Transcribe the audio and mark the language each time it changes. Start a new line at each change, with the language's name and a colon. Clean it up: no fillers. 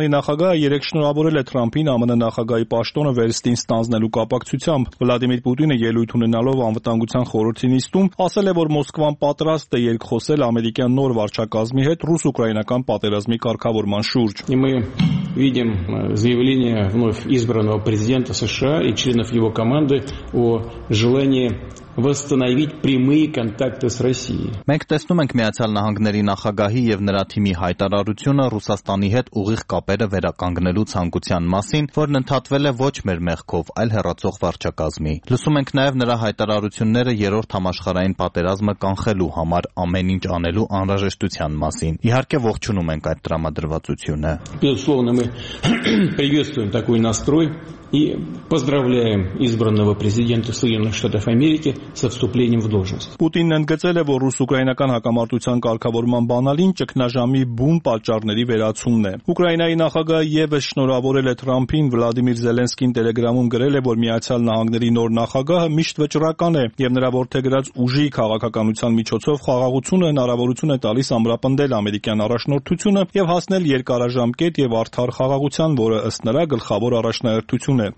Armenian: Ռուսաստանի նախագահը երեք շնորհավորել է Թրամփին ԱՄՆ նախագահի պաշտոնը վերստին ստանձնելու կապակցությամբ։ Վլադիմիր Պուտինը ելույթ ունենալով անվտանգության խորհրդի նիստում ասել է, որ Մոսկվան պատրաստ է երկխոսել ամերիկյան նոր վարչակազմի հետ ռուս-ուկրաինական պատերազմի կարգավորման շուրջ։
Russian: Видим заявление вновь избранного президента США и членов его команды о желание восстановить прямые контакты с Россией.
Armenian: Մենք տեսնում ենք Միացյալ Նահանգների նախագահի եւ նրա թիմի հայտարարությունը Ռուսաստանի հետ ուղիղ կապերը վերականգնելու ցանկության մասին, որն ընդհատվել է ոչ մեր մեղքով, այլ հերացող վարչակազմի։ Լսում ենք նաեւ նրա հայտարարությունները երրորդ համաշխարհային պատերազմը կանխելու համար ամեն ինչ անելու անհրաժեշտության մասին։ Իհարկե ողջունում ենք այդ տրամադրվածությունը։
Russian: Безусловно, мы приветствуем такой настрой и поздравляем избранного президента Соединенных Штатов Америки со вступлением в должность.
Armenian: Путин ընդգծել է, որ ռուս-ուկրաինական հակամարտության կարգավորման բանալին ճգնաժամի բուն պատճառների վերացումն է։ Ուկրաինայի նախագահը ևս շնորհավորել է Թրամփին, Վլադիմիր Զելենսկին Telegram-ում գրել է, որ Միացյալ Նահանգների նոր նախագահը միշտ վճռական է եւ նրա որդեգրած ուժի քաղաքականության միջոցով խաղաղությունը հնարավորություն է տալիս ամրապնդել ամերիկյան առաջնորդությունը եւ հասնել երկարաժամկետ եւ արդար խաղաղության, որը ըստ նրա գլխավոր առաջնահերթություն է։